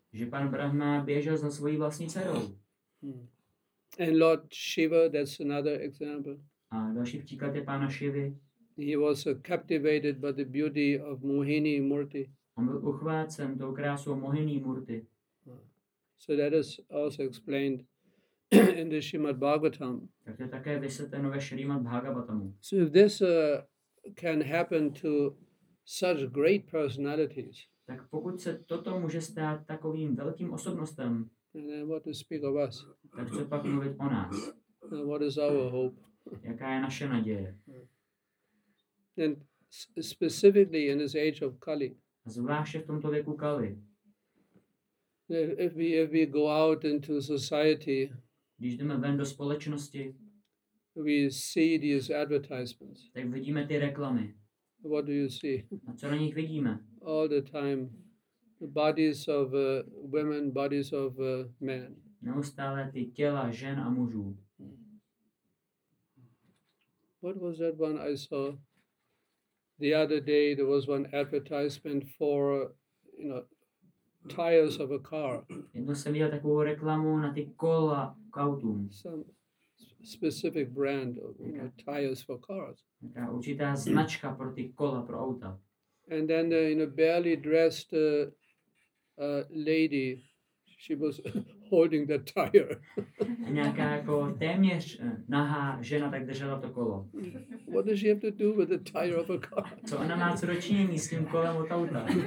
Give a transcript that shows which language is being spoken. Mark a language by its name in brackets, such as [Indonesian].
[Czech] Že pan Brahma běžel za svojí vlastní dcerou. [English] And Lord Shiva, that's another example. [Czech] A další příklad je pána Shivy. [English] He was captivated by the beauty of Mohini Murti. [Czech] On byl uchvácen tou krásou Mohini Murti. [English] So that is also explained in the Srimad Bhagavatam. [Czech] Tak to je také vysvětleno ve Srimad Bhagavatamu. [English] So if this can happen to such great personalities. [Czech] Tak pokud se toto může stát takovým velkým osobnostem, [English] then what to speak of us? [Czech] Tak co pak mluvit o nás? [English] Then what is our hope? [Czech] Jaká je naše naděje? [English] Then specifically in this age of Kali. [Czech] Zvláště v tomto věku Kali. [English] If we go out into society, [Czech] když jdeme ven do společnosti, [English] we see these advertisements. [Czech] Tak vidíme ty reklamy. [English] What do you see? [Czech] A co na nich vidíme? [English] All the time, the bodies of women, bodies of men. [Czech] Neustále ty těla žen a mužů. [English] What was that one I saw the other day? There was one advertisement for, you know, tires of a car. [Czech] Jednou jsem viděl takovou reklamu na ty kola k autům. [English] Some specific brand of, you know, tires for cars. [Czech] Taká určitá značka pro ty kola pro auta. [English] And then the, you know, barely dressed lady, she was holding the tire. [Czech] Nějaká jako téměř nahá žena tak držela to kolo. [English] What does she have to do with the tire of a car? [Czech] Co ona má co dočinění s tím kolem od auta?